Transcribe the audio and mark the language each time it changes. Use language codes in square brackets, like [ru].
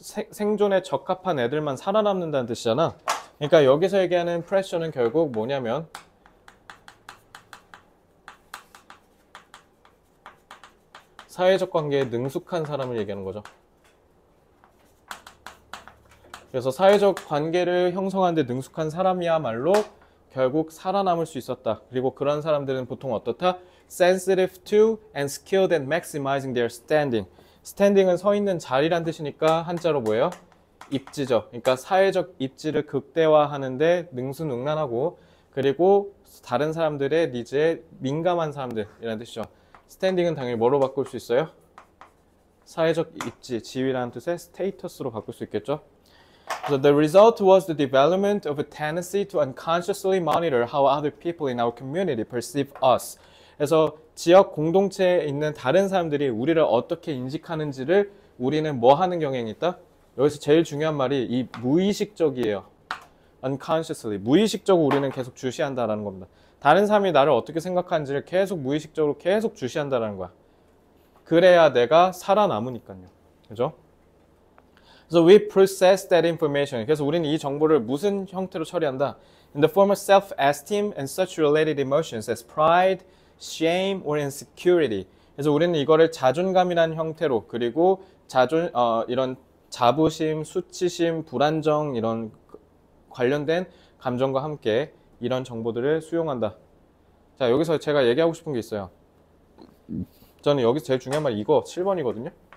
[ko] 생존에 적합한 애들만 살아남는다는 뜻이잖아. 그러니까 여기서 얘기하는 프레셔는 결국 뭐냐면 사회적 관계에 능숙한 사람을 얘기하는 거죠. 그래서 사회적 관계를 형성하는 데 능숙한 사람이야말로 결국 살아남을 수 있었다. 그리고 그런 사람들은 보통 어떻다? [en] Sensitive to and skilled at maximizing their standing. [ko] Standing은 서 있는 자리란 뜻이니까 한자로 뭐예요? 입지죠. 그러니까 사회적 입지를 극대화하는데 능수능란하고 그리고 다른 사람들의 니즈에 민감한 사람들이라는 뜻이죠. Standing은 당연히 뭐로 바꿀 수 있어요? 사회적 입지, 지위라는 뜻의 status로 바꿀 수 있겠죠? [en] So the result was the development of a tendency to unconsciously monitor how other people in our community perceive us. [ko] 그래서 지역 공동체에 있는 다른 사람들이 우리를 어떻게 인식하는지를 우리는 뭐 하는 경향이 있다? 여기서 제일 중요한 말이 이 무의식적이에요. [en] Unconsciously. [ko] 무의식적으로 우리는 계속 주시한다라는 겁니다. 다른 사람이 나를 어떻게 생각하는지를 계속 무의식적으로 계속 주시한다라는 거야. 그래야 내가 살아남으니까요. 그죠? [en] So we process that information. [ko] 그래서 우리는 이 정보를 무슨 형태로 처리한다? [en] In the form of self-esteem and such related emotions as pride, shame, or insecurity. [ko] 그래서 우리는 이거를 자존감이라는 형태로, 그리고 이런 자부심, 수치심, 불안정, 이런 관련된 감정과 함께 이런 정보들을 수용한다. 자, 여기서 제가 얘기하고 싶은 게 있어요. 저는 여기서 제일 중요한 말 이거, 7번이거든요?